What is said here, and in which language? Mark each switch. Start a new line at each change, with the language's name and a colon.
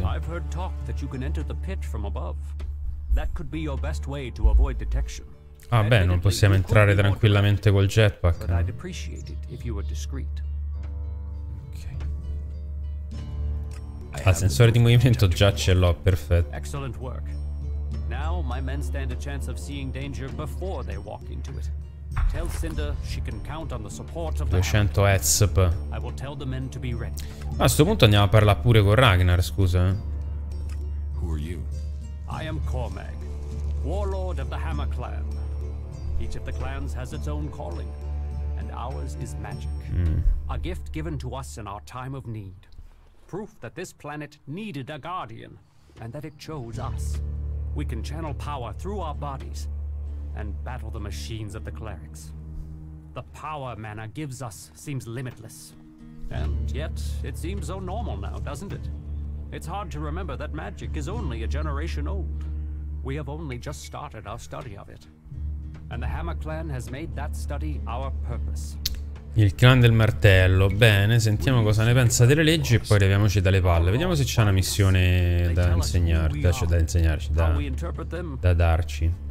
English: I've heard talk that you can enter the pit from above. That could be your best way to avoid detection.
Italian: Ah beh, non possiamo entrare tranquillamente col jetpack.
English: I'd appreciate it if you were discreet.
Italian: Ah, sensore di movimento già ce l'ho, perfetto.
English: Excellent work. Now my men stand a chance of seeing danger before they walk into it. Tell Cinder she can count on the support of the 200 ETSP. I will tell the men to be ready.
Italian: Ma a sto punto andiamo a parlare pure con Ragnar, scusa.
English: Who are you? I am Cormag, warlord of the Hammer Clan. Each of the clans has its own calling, and ours is magic. A gift given to us in our time of need. Proof that this planet needed a guardian and that it chose us. We can channel power through our bodies and battle the machines of the clerics. The power mana gives us seems limitless. And yet it seems so normal now, doesn't it? It's hard to remember that magic is only a generation old. We have only just started our study of it. And the Hammer Clan has made that study our purpose.
Italian: Il clan del martello. Bene, sentiamo cosa ne pensa delle leggi e poi leviamoci dalle palle. Vediamo se c'è una missione da insegnare, da darci.